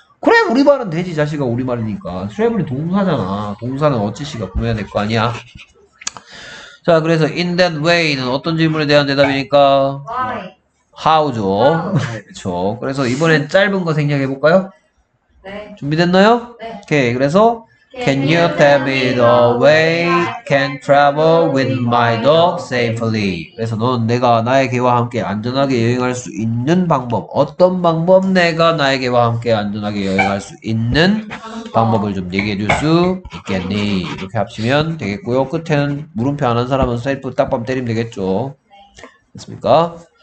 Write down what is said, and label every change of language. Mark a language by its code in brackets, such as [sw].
[ko] 그래 우리말은 되지. 자식아 우리말이니까. travel이 동사잖아. 동사는 어찌씨가 꾸며야 될 거 아니야. 자 그래서 [en] in that way [ko] 는 어떤 질문에 대한 대답이니까 [en] why? [ko] how죠. 그렇죠. 그래서 이번엔 짧은 거 생략해 볼까요? 네. 준비됐나요? 네. 오케이. 그래서 [en] can you tell me the way I can travel with my dog safely? [ko] 그래서 넌 내가 나의 개와 함께 안전하게 여행할 수 있는 방법, 어떤 방법 내가 나의 개와 함께 안전하게 여행할 수 있는 방법을 좀 얘기해 줄 수 있겠니? 이렇게 합치면 되겠고요. 끝에는 물음표 안 한 사람은 셀프 딱밤 때리면 되겠죠. 됐습니까?